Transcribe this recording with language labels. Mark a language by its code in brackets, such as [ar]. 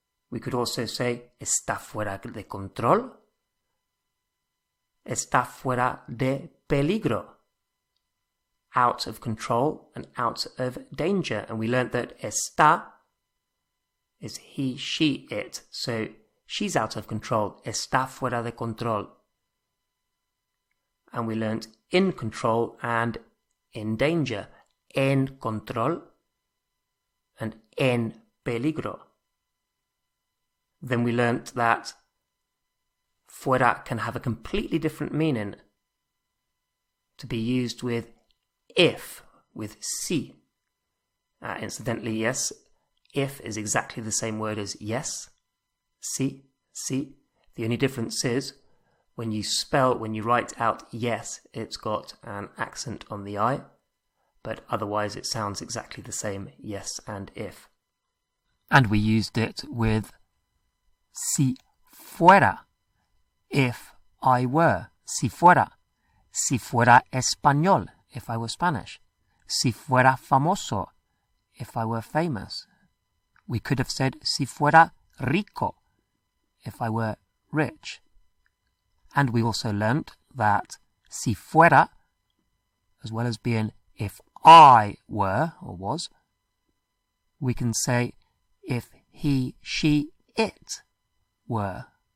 [en] We could also say [es] está fuera de control, está fuera de peligro, [en] out of control and out of danger. And we learned that está is he, she, it. So she's out of control. [es] Está fuera de control. [en] And we learned in control and in danger. [es] En control and en peligro. [en] Then we learned that fuera can have a completely different meaning to be used with if, with si. Incidentally, yes, if is exactly the same word as yes. Si, si. The only difference is when you spell, when you write out yes, it's got an accent on the I. But otherwise, it sounds exactly the same, yes and if. And we used it with si fuera, if I were. [es] Si fuera, si fuera español. [en] If I were Spanish. [es] Si fuera famoso, [en] if I were famous. We could have said [es] si fuera rico, [en] if I were rich. And we also learnt that si fuera, as well as being if I were or was, we can say if he, she, it were.